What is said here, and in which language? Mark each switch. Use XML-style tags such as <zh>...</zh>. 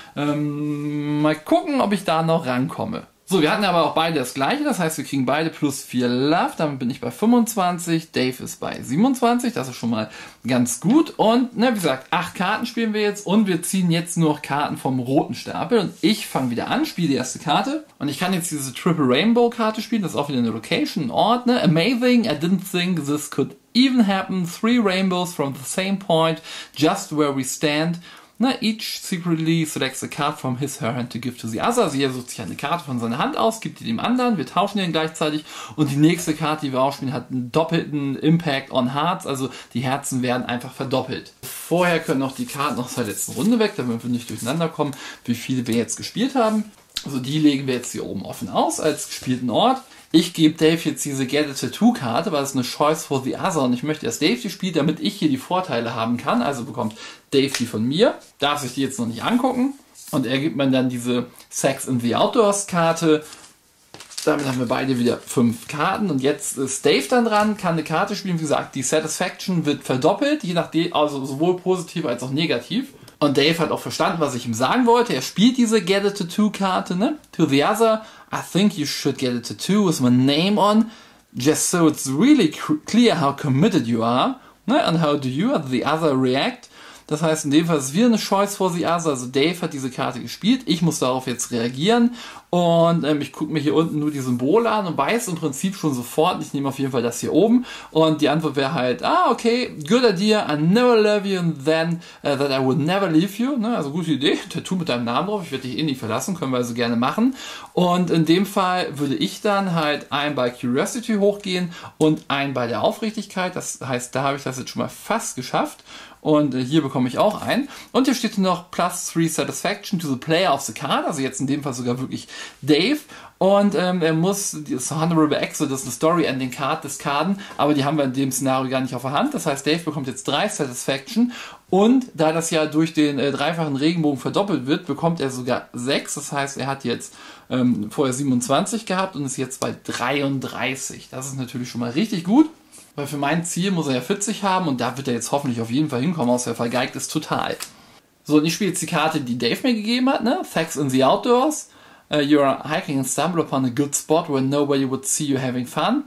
<de>Mal gucken, ob ich da noch rankomme. So, wir hatten aber auch beide das gleiche, das heißt, wir kriegen beide plus 4 Love, damit bin ich bei 25, Dave ist bei 27, das ist schon mal ganz gut und, ne, wie gesagt, 8 Karten spielen wir jetzt und wir ziehen jetzt nur noch Karten vom roten Stapel und ich fange wieder an, spiele die erste Karte und ich kann jetzt diese Triple Rainbow Karte spielen, das ist auch wieder eine Location, ein Ort, ne?</de> <en>Amazing, I didn't think this could even happen, 3 Rainbows from the same point, just where we stand.</en> <de>Na,</de> <en>each secretly selects a card from his, her hand to give to the other.</en> <de>Also jeder sucht sich eine Karte von seiner Hand aus, gibt die dem anderen, wir tauschen den gleichzeitig und die nächste Karte, die wir ausspielen, hat einen doppelten</de> <en>Impact on Hearts,</en> <de>also die Herzen werden einfach verdoppelt. Vorher können auch die Karten noch zur letzten Runde weg, damit wir nicht durcheinander kommen, wie viele wir jetzt gespielt haben. Also die legen wir jetzt hier oben offen aus als gespielten Ort. Ich gebe Dave jetzt diese Get a Tattoo Karte, weil es eine Choice for the Other und ich möchte, dass Dave die spielt, damit ich hier die Vorteile haben kann. Also bekommt Dave die von mir, darf sich die jetzt noch nicht angucken und er gibt mir dann diese Sex in the Outdoors Karte. Damit haben wir beide wieder 5 Karten und jetzt ist Dave dann dran, kann eine Karte spielen. Wie gesagt, die Satisfaction wird verdoppelt, je nachdem, also sowohl positiv als auch negativ. Und Dave hat auch verstanden, was ich ihm sagen wollte. Er spielt diese Get a Tattoo Karte, ne?</de> <en>To the other, I think you should get a tattoo with my name on, just so it's really clear how committed you are, ne? And how do you, the other, react?</en> <de>Das heißt, in dem Fall ist es wieder eine Choice for the Other. Also Dave hat diese Karte gespielt, ich muss darauf jetzt reagieren. Und ich gucke mir hier unten nur die Symbole an und weiß im Prinzip schon sofort, ich nehme auf jeden Fall das hier oben. Und die Antwort wäre halt,</de> <en>ah, okay, good idea, I never love you and then that I would never leave you.</en> <de>Ne? Also gute Idee, Tattoo mit deinem Namen drauf, ich werde dich eh nicht verlassen, können wir also gerne machen. Und in dem Fall würde ich dann halt ein bei Curiosity hochgehen und ein bei der Aufrichtigkeit. Das heißt, da habe ich das jetzt schon mal fast geschafft. Und hier bekomme ich auch einen. Und hier steht noch plus 3</de> <en>Satisfaction to the player of the card.</en> <de>Also jetzt in dem Fall sogar wirklich Dave. Und er muss das Honorable Exit, das ist eine Story Ending Card des Karten. Aber die haben wir in dem Szenario gar nicht auf der Hand. Das heißt, Dave bekommt jetzt 3 Satisfaction. Und da das ja durch den dreifachen Regenbogen verdoppelt wird, bekommt er sogar 6. Das heißt, er hat jetzt vorher 27 gehabt und ist jetzt bei 33. Das ist natürlich schon mal richtig gut. Weil für mein Ziel muss er ja 40 haben und da wird er jetzt hoffentlich auf jeden Fall hinkommen, außer er vergeigt es total. So, und ich spiele jetzt die Karte, die Dave mir gegeben hat, ne?</de> <en>Facts in the Outdoors. You're hiking and stumble upon a good spot where nobody would see you having fun.</en>